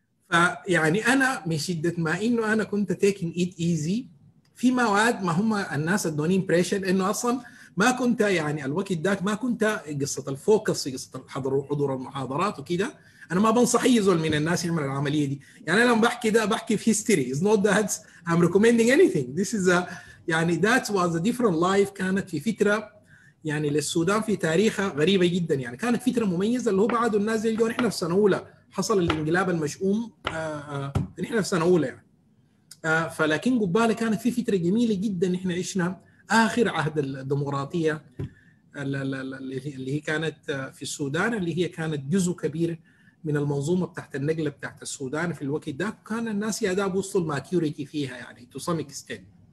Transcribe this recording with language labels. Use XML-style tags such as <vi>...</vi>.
<ar>فيعني انا من شده ما انه انا كنت</ar> <en>taking it easy</en> <ar>في مواد، ما هم الناس ادوني امبريشن انه اصلا ما كنت يعني الوقت ذاك ما كنت قصة الفوكس في قصة حضور المحاضرات وكده. أنا ما بنصح أي زول من الناس يعمل العملية دي يعني، أنا لما بحكي ده بحكي في history.</ar> <en>It's not that I'm recommending anything. This is a يعني that was a different life.</en> <ar>كانت في فترة يعني للسودان في تاريخها غريبة جدا يعني، كانت فترة مميزة اللي هو بعد الناس اللي نحن في سنة أولى حصل الانقلاب المشؤوم. نحن في سنة أولى يعني. فلكن قبالة كانت في فترة جميلة جدا، نحن عشنا آخر عهد الديمقراطية اللي هي كانت في السودان، اللي هي كانت جزء كبير من المنظومة بتاعت النقلة بتاعت السودان في الوقت ده، كان الناس يأداء بوصل ماكيوريتي فيها يعني</ar> <en>to some extent.</en>